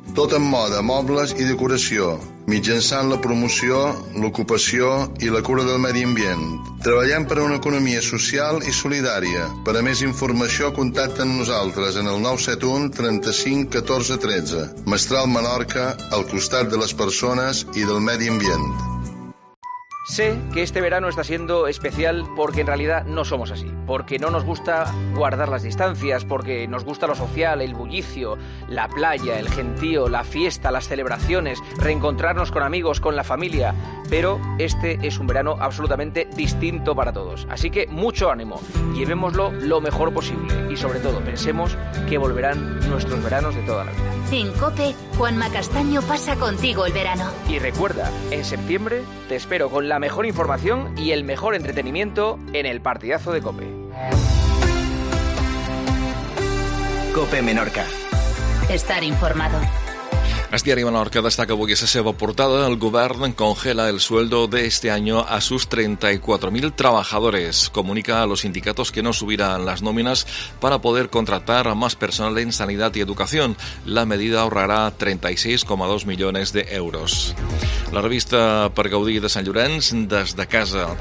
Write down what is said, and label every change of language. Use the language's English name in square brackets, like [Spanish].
[Catalan] Tot en moda, mobles i decoració, mitjançant la promoció, l'ocupació i la cura del medi ambient. Treballem per a una economia social i solidària. Per a més informació, contacta amb nosaltres en el 971 35 14 13. Mestral Menorca, al costat de les persones i del medi ambient. [Spanish] Sé que este verano está siendo especial porque en realidad no somos así, porque no nos gusta guardar las distancias, porque nos gusta lo social, el bullicio, la playa, el gentío, la fiesta, las celebraciones, reencontrarnos con amigos, con la familia, pero este es un verano absolutamente distinto para todos. Así que mucho ánimo, llevémoslo lo mejor posible y sobre todo pensemos que volverán nuestros veranos de toda la vida. En COPE, Juanma Castaño pasa contigo el verano. Y recuerda, en septiembre te espero con la mejor información y el mejor entretenimiento en el partidazo de COPE. COPE Menorca. Estar informado. [Catalan] El diari Menorca destaca avui la seva portada. [Spanish] El govern congela el sueldo de este año a sus 34.000 trabajadores. Comunica a los sindicatos que no subirán las nóminas para poder contratar a más personal en sanidad y educación. La medida ahorrará 36,2 millones de euros. [Catalan] La revista Per Gaudir de Sant Llorenç, des de casa.